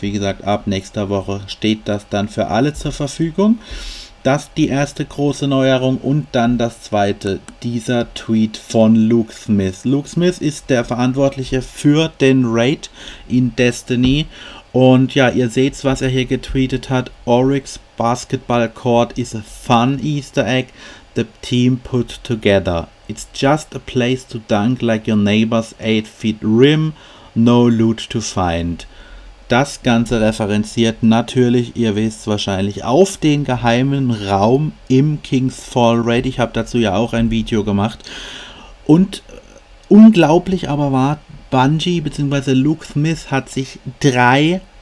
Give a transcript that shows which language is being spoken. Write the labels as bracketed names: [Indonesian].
[German] Wie gesagt, ab nächster Woche steht das dann für alle zur Verfügung. Das ist die erste große Neuerung, und dann das zweite, dieser Tweet von Luke Smith. Luke Smith ist der Verantwortliche für den Raid in Destiny. Und ja, ihr seht's, was er hier getweetet hat. [English] Oryx Basketball Court is a fun Easter Egg the team put together. It's just a place to dunk like your neighbor's 8-foot rim, no loot to find. [German] Das Ganze referenziert natürlich, ihr wisst wahrscheinlich, auf den geheimen Raum im King's Fall Raid. Ich habe dazu ja auch ein Video gemacht. Und unglaublich aber war, Bungie bzw. Luke Smith hat sich drei